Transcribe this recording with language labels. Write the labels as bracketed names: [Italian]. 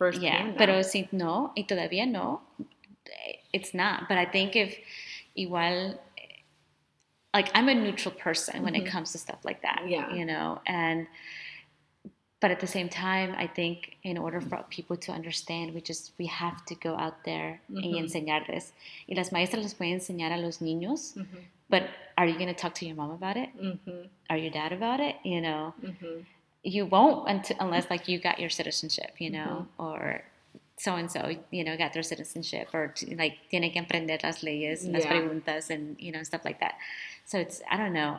[Spanish] Yeah, pero si no, y todavía no, [English] it's not. But I think if igual, like, I'm a neutral person when it comes to stuff like that. Yeah. You know, and, but at the same time, I think in order for people to understand, we have to go out there [Spanish] y enseñarles. Y las maestras les pueden enseñar a los niños. [English] But are you going to talk to your mom about it? Are your dad about it? You know, you won't unless like you got your citizenship, you know, or so-and-so, you know, got their citizenship or like [Spanish] tiene que emprender las leyes y las preguntas [English] and, you know, stuff like that. So it's, I don't know.